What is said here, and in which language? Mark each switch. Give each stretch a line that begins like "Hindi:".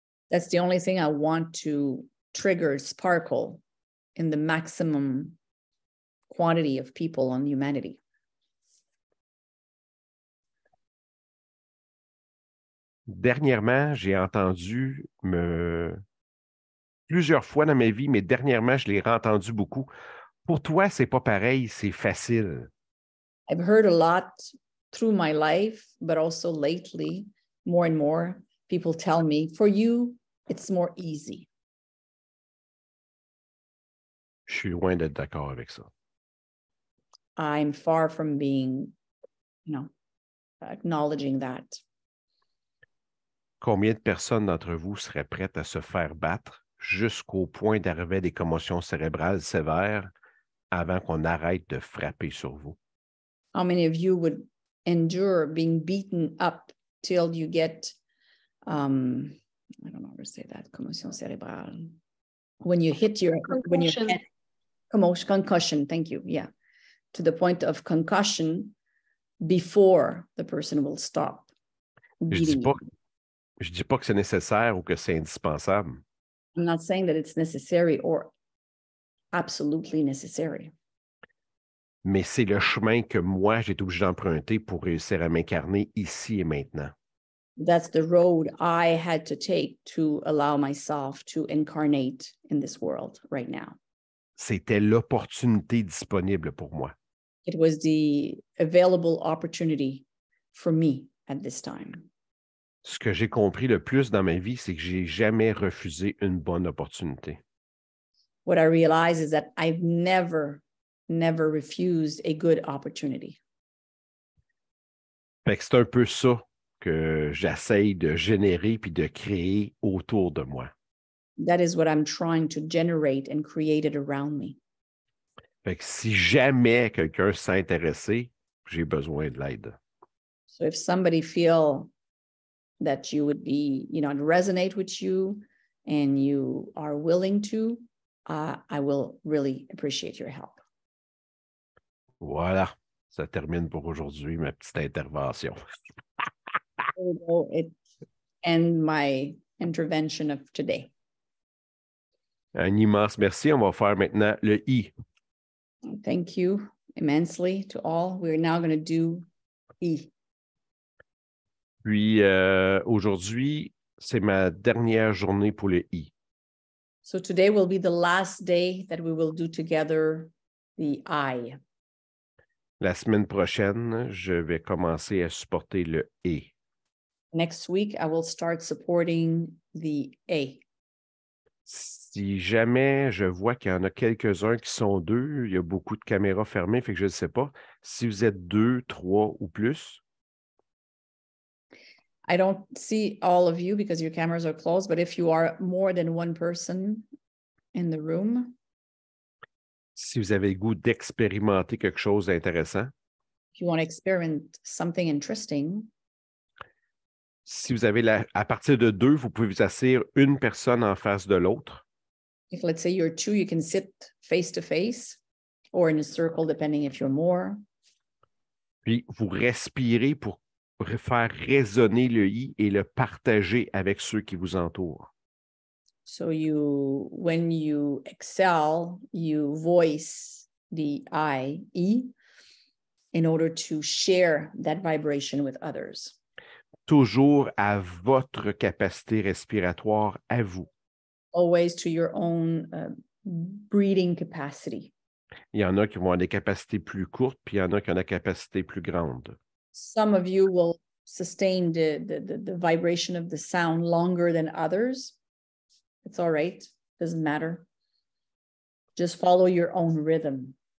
English: That's the only thing I want to trigger, sparkle in the maximum quantity of people on humanity.
French: Dernièrement, j'ai entendu plusieurs fois dans ma vie, mais dernièrement, je l'ai entendu beaucoup. Pour toi, c'est pas pareil, c'est facile.
English: I've heard a lot through my life, but also lately, more and more, people tell me, for you, it's more easy.
French: Je suis loin d'être d'accord avec ça.
English: I'm far from being, acknowledging that.
French: Combien de personnes d'entre vous seraient prêtes à se faire battre jusqu'au point d'arriver à des commotions cérébrales sévères avant qu'on arrête de frapper sur vous?
English: How many of you would endure being beaten up till you get, I don't know how to say that,
French: commotion cérébrale.
English: When you hit your concussion. When you hit concussion, thank you, yeah. To the point of concussion, before the person will stop beating you.
French: Je dis pas que c'est nécessaire ou que c'est indispensable.
English: I'm not saying that it's necessary or absolutely necessary.
French: Mais c'est le chemin que moi, j'ai été obligé d'emprunter pour réussir à m'incarner ici et maintenant.
English: That's the road I had to take to allow myself to incarnate in this world right now.
French: C'était l'opportunité disponible pour moi.
English: It was the available opportunity for me at this time.
French: Ce que j'ai compris le plus dans ma vie, c'est que j'ai jamais refusé une bonne opportunité.
English: What I realize is that I've never refused a good opportunity.
French: Fait que c'est un peu ça que j'essaye de générer puis de créer autour de moi.
English: That is what I'm trying to generate and create it around me.
French: Fait que si jamais quelqu'un s'est intéressé, j'ai besoin de l'aide.
English: So if somebody feel that you would be, you know, it resonate with you and you are willing to, I will really appreciate your help.
French: Voilà, ça termine pour aujourd'hui ma petite intervention.
English: It end my intervention of today.
French: Un immense merci. On va faire maintenant le I.
English: Thank you immensely to all. We are now going to do I.
French: Puis aujourd'hui, c'est ma dernière journée pour le I.
English: So today will be the last day that we will do together the I.
French: La semaine prochaine, je vais commencer à supporter le E.
English: Next week, I will start supporting the A.
French: Si jamais je vois qu'il y en a quelques-uns qui sont deux, il y a beaucoup de caméras fermées, fait que je ne sais pas. Si vous êtes deux, trois ou plus.
English: I don't see all of you because your cameras are closed, but if you are more than one person in the room.
French: Si vous avez le goût d'expérimenter quelque chose d'intéressant.
English: If you want to experiment something interesting.
French: Si vous avez à partir de deux, vous pouvez vous asseoir une personne en face de l'autre.
English: If let's say you're two, you can sit face to face or in a circle depending if you're more.
French: Puis vous respirez pour faire résonner le I et le partager avec ceux qui vous entourent.
English: So you, when you exhale, you voice the I, E, in order to share that vibration with others.
French: Toujours à votre capacité respiratoire, à vous.
English: Always to your own breathing capacity.
French: Il y en a qui vont avoir des capacités plus courtes, puis il y en a qui ont des capacités plus grandes.
English: Some of you will sustain the vibration of the sound longer than others. It's all right. Doesn't matter. Just follow your own rhythm.